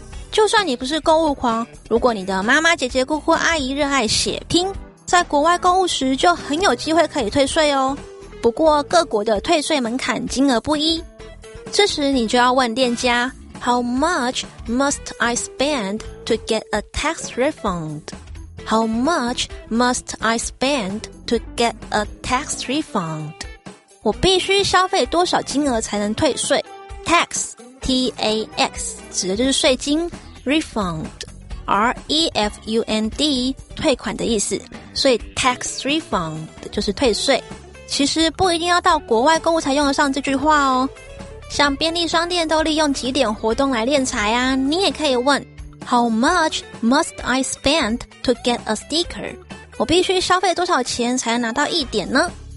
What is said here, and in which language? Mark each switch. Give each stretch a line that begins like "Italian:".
Chinese: 就算你不是购物狂如果你的妈妈姐姐姑姑阿姨热爱血拼在国外购物时就很有机会可以退税哦不过各国的退税门槛金额不一这时你就要问店家
English: How much must I spend to get a tax refund? How much must I spend to get a tax refund?
Chinese: 我必须消费多少金额才能退税 TaxTAX 指的就是税金 refund R-E-F-U-N-D 退款的意思所以 tax refund 就是退税其实不一定要到国外购物才用得上这句话哦像便利商店都利用几点活动来敛财啊你也可以问
English: How much must I spend to get a sticker
Chinese: 我必须消费多少钱才能拿到一点呢